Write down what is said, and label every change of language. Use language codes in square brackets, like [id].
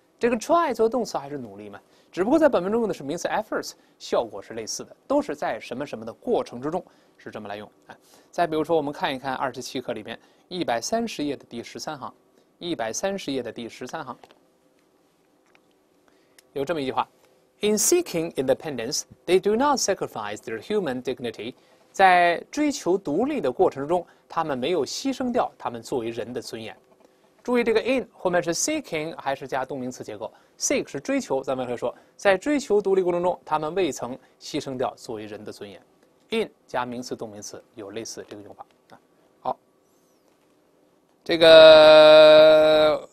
[zh] 这个 try 做动词还是努力吗？只不过在本文中用的是名词 efforts， 效果是类似的，都是在什么什么的过程之中，是这么来用啊。再比如说，我们看一看27课里面130页的第13行，130页的第13行。有这么一句话 [en] ，In seeking independence, they do not sacrifice their human dignity. [zh] 在追求独立的过程中，他们没有牺牲掉他们作为人的尊严。注意这个 in 后面是 seeking 还是加动名词结构 ？Seek 是追求，咱们可以说在追求独立过程中，他们未曾牺牲掉作为人的尊严。 in 加名词动名词有类似这个用法啊。好，这个。